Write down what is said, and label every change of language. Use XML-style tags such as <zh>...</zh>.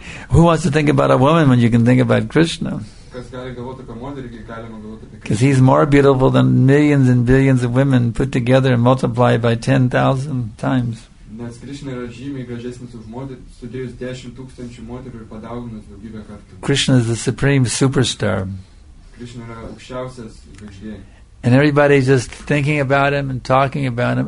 <en>Who wants to think about a woman when you can think about Krishna? Because he's more beautiful than millions and billions of women put together and multiplied by 10,000 times.</en> <lt>Nes Krishna yra žymiai gražesnis už moterį, sudėjus 10 tūkstančių moterų ir padauginus daugybę kartų.</lt> <en>Krishna is the supreme superstar.</en> <lt>Krishna yra aukščiausias žvaigždė.</lt> <en>And everybody is just thinking about him and talking about him.</en>